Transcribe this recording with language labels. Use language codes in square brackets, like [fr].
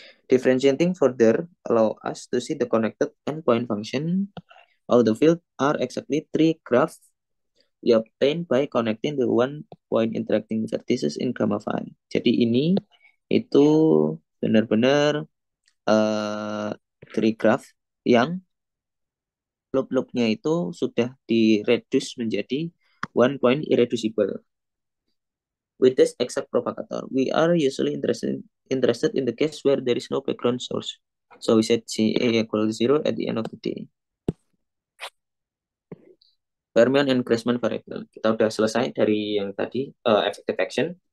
[en] Differentiating further allow us to see the connected endpoint function of the field are exactly three graphs you obtain by connecting the one point intersecting vertices in gamma phi. [id] Jadi ini itu benar-benar three graph yang loop-loopnya itu sudah di-reduce menjadi one point irreducible. [en] With this exact propagator, we are usually interested in the case where there is no background source. So we set CA equal 0 at the end of the day. Fermion and Grassmann variable. [id] Kita udah selesai dari yang tadi, effective action.